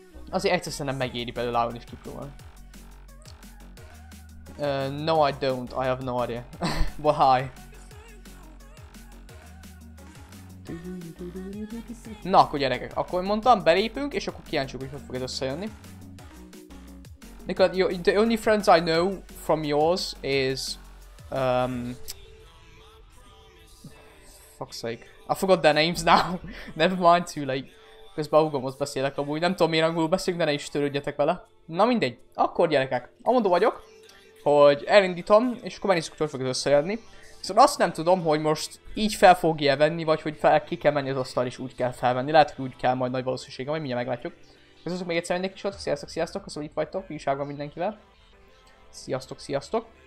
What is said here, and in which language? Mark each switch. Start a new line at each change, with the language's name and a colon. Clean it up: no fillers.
Hungarian: Azért egyszer szerintem megéri belőle live-olni is kipróbálni.
English: No, I don't. I have no idea. But hi.
Hungarian: Na, akkor gyerekek, akkor mondtam, belépünk, és akkor kíváncsiuk, hogy fog ez összejönni.
English: Nikola, the only friends I know from yours is, fuck's sake, I forgot their names now, never mind, too late.
Hungarian: Közben húgomhoz beszélek amúgy, nem tudom, miért angolul beszélünk, de ne is törődjetek vele. Na mindegy, akkor gyerekek, amondó vagyok, hogy elindítom, és akkor megnézzük, hogy fog ez összejönni. Viszont azt nem tudom, hogy most így fel fogja venni, vagy hogy fel ki kell menni az asztal, és úgy kell felvenni. Lehet, hogy úgy kell majd nagy valószínűséggel, majd mindjárt meglátjuk. Köszönöm még egyszer mindenki sokat, sziasztok, sziasztok, köszönöm, hogy itt vagytok, újságban mindenkivel. Sziasztok, sziasztok.